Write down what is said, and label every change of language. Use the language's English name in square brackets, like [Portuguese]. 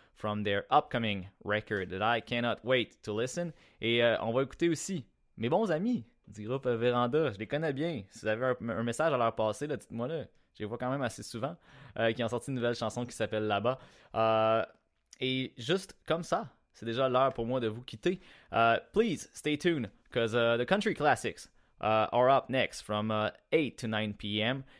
[English] From their upcoming record that I cannot wait to listen. [French] Et on va écouter aussi mes bons amis du groupe Véranda. Je les connais bien. Si vous avez un message à leur passer, là, dites-moi là. Je les vois quand même assez souvent. Qui ont sorti une nouvelle chanson qui s'appelle Là-bas. Et juste comme ça, c'est déjà l'heure pour moi de vous quitter. [English] Please stay tuned, because the country classics are up next from 8 to 9 p.m.